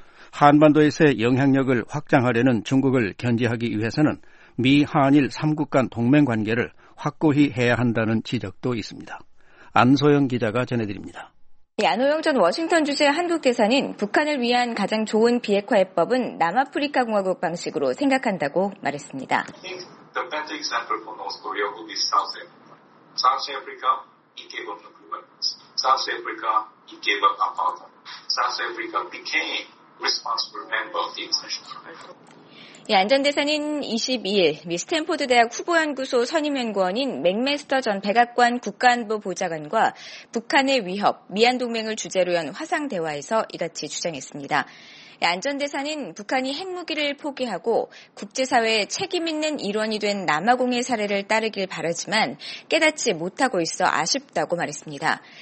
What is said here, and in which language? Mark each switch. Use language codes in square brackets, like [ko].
[ko] 한반도에서의 영향력을 확장하려는 중국을 견제하기 위해서는 미, 한일 3국 간 동맹관계를 확고히 해야 한다는 지적도 있습니다. 안소영 기자가 전해드립니다. 안호영 전 워싱턴 주재 한국대사는 북한을 위한 가장 좋은 비핵화 해법은 남아프리카 공화국 방식으로 생각한다고 말했습니다. [en] The best example for North Korea would be South Africa. South Africa, it gave up the agreement. South Africa, it gave up apartheid. South Africa became responsible member of the international community. [ko] 안 전 대사는 22일 미 스탠포드 대학 후보연구소 선임연구원인 맥메스터 전 백악관 국가안보 보좌관과 북한의 위협, 미한 동맹을 주제로 연 화상 대화에서 이같이 주장했습니다. 안전대사는 북한이 핵무기를 포기하고 국제사회의 책임있는 일원이 된 남아공의 사례를 따르길 바라지만 깨닫지 못하고 있어 아쉽다고 말했습니다.